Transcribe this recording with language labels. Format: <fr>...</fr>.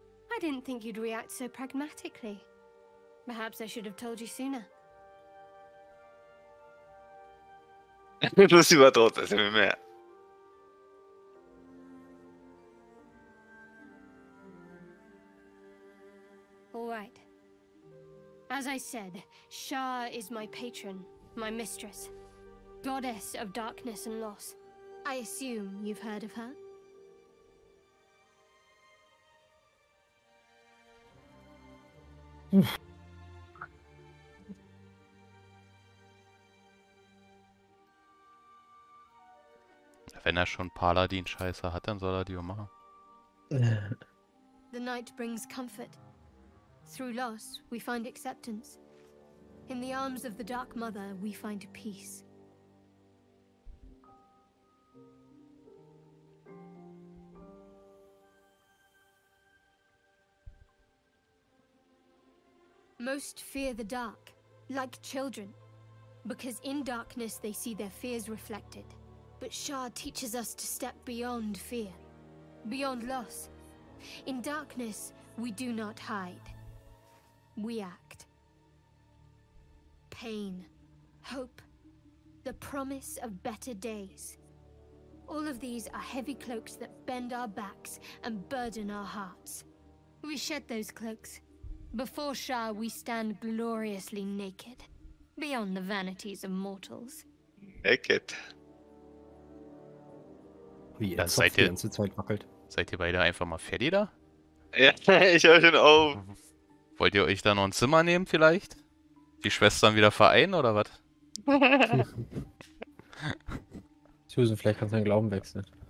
<en>I didn't think you'd react so pragmatically. Perhaps I should have told you sooner.</en> <de>Das überdreht es immer mehr.</de> <en>Alright. As I said, Shaa is my patron, my mistress, goddess of darkness and loss. I assume you've heard of her.</en> <de>Wenn er schon Paladin-Scheiße hat, dann soll er die auch machen.</de> <en>The night brings comfort. Through loss, we find acceptance. In the arms of the Dark Mother, we find peace. Most fear the dark, like children, because in darkness they see their fears reflected. But Shaa teaches us to step beyond fear, beyond loss. In darkness, we do not hide. We act. Pain, hope, the promise of better days. All of these are heavy cloaks that bend our backs and burden our hearts. We shed those cloaks. Before Shaa, we stand gloriously naked, beyond the vanities of mortals. Naked.</en> <de>Wie ihr Zopf die ganze Zeit wackelt. Seid ihr beide einfach mal fertig da? Ja, ich hab schon auf. Wollt ihr euch da noch ein Zimmer nehmen vielleicht? Die Schwestern wieder vereinen oder was? Susan, vielleicht kannst du deinen Glauben wechseln.</de>